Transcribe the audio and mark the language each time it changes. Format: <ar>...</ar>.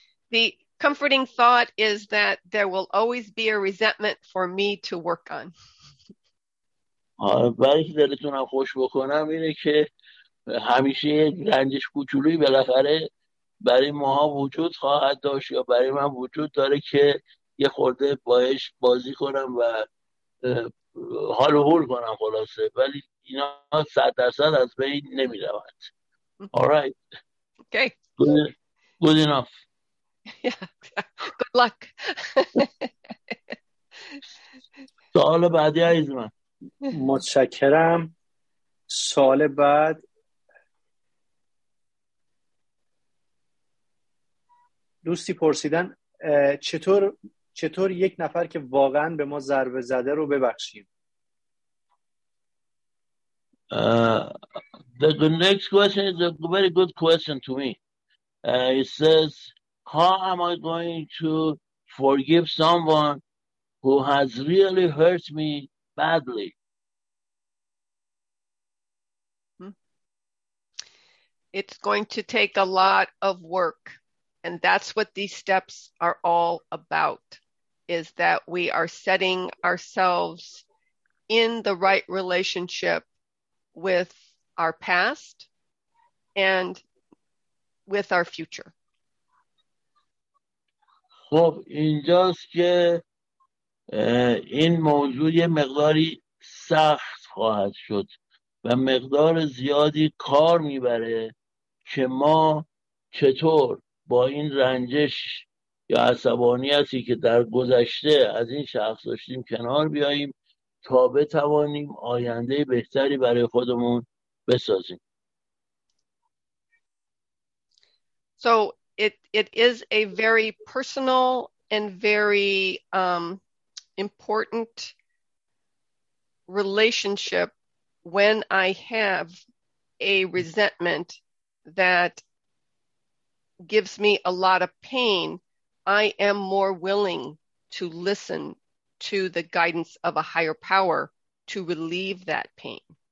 <en>The comforting thought is that there will always be a resentment for me to work on.</en> <fa>برای که دلتونم خوش بکنم اینه که همیشه یک رنجش کوچولوی بالاخره برای ماها وجود خواهد داشت یا برای من وجود داره که یه خورده باهاش بازی کنم و حال و حال کنم خلاصه، ولی اینا 100% از بین نمی روند.</fa> <en>Alright. Okay. Good enough. Yeah. Good luck.</en> <fa>سوال بعدی عزیز من. متشکرم. سال بعد دوستی پرسیدن چطور یک نفر که واقعا به ما ضربه زده رو ببخشیم.</fa> <en>The next question is a very good question to me. It says, how am I going to forgive someone who has really hurt me badly? It's going to take a lot of work, and that's what these steps are all about, is that we are setting ourselves in the right relationship with our past and with our future.</en> <fa>خب اینجاست که این موضوع یه مقداری سخت خواهد شد و مقدار زیادی کار میبره که ما چطور با این رنجش یا عصبانیتی که در گذشته از این شخص داشتیم کنار بیاییم تا بتوانیم آینده بهتری برای خودمون بسازیم.</fa> <en>So it is a very personal and very important relationship when I have a resentment that gives me a lot of pain, I am more willing to listen to the guidance of a higher power to relieve that pain.</en>